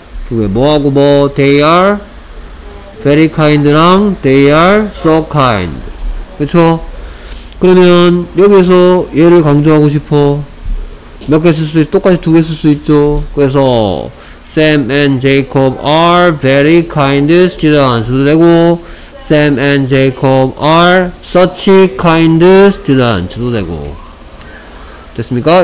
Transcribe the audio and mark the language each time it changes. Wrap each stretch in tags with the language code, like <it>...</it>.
<ko>뭐하고 뭐</ko> <en>they are very kind랑 they are so kind</en> <ko>그쵸? 그러면 여기서 얘를 강조하고 싶어. 몇 개 쓸 수 있, 똑같이 두 개 쓸 수 있죠. 그래서</ko> <en>Sam and Jacob are very kind students 되고 Sam and Jacob are such kind students</en> <ko>되고 됐습니까?</ko>